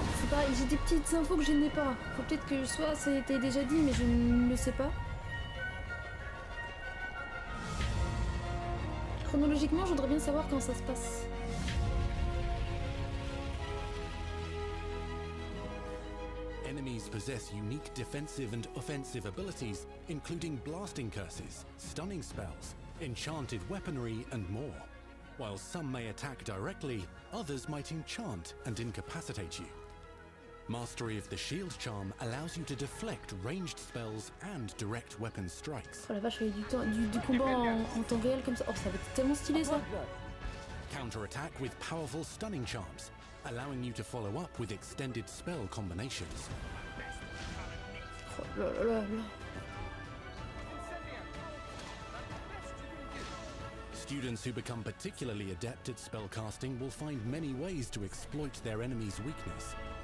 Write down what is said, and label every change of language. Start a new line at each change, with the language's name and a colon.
French: Bah, j'ai des petites infos que je n'ai pas. Faut peut-être que soit ça a été déjà dit, mais je ne le sais pas. Chronologiquement, je voudrais bien savoir quand ça se passe.
English: Enemies possess unique defensive and offensive abilities, including blasting curses, stunning spells, enchanted weaponry, and more. While some may attack directly, others might enchant and incapacitate you. Mastery of the shield charm allows you to deflect ranged spells and direct weapon strikes.
French: Oh la vache, il y a du combat en temps réel comme ça. Oh, ça va être tellement stylé ça.
English: Counterattack with powerful stunning charms, allowing you to follow up with extended spell combinations.
French: Oh là là là là.
English: Students who become particularly adept at spell casting will find many ways to exploit their enemy's weakness.